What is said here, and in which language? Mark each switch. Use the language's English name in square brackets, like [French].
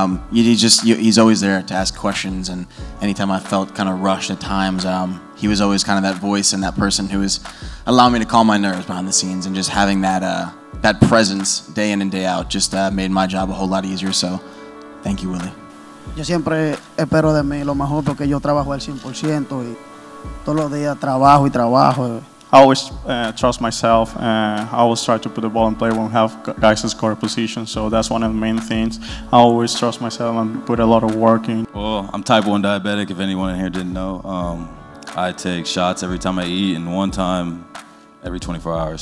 [English] He's always there to ask questions, and anytime I felt kind of rushed at times, he was always kind of that voice and that person who was allowing me to calm my nerves behind the scenes, and just having that that presence day in and day out just made my job a whole lot easier. So thank you, Willie. [Spanish] Yo siempre espero de mí lo mejor porque yo trabajo al 100% y todos los días trabajo y trabajo. [English] I always trust myself. I always try to put the ball in play when we have guys in scoring position. So that's one of the main things. I always trust myself and put a lot of work in. Well, I'm type 1 diabetic, if anyone in here didn't know. I take shots every time I eat and one time every 24 hours.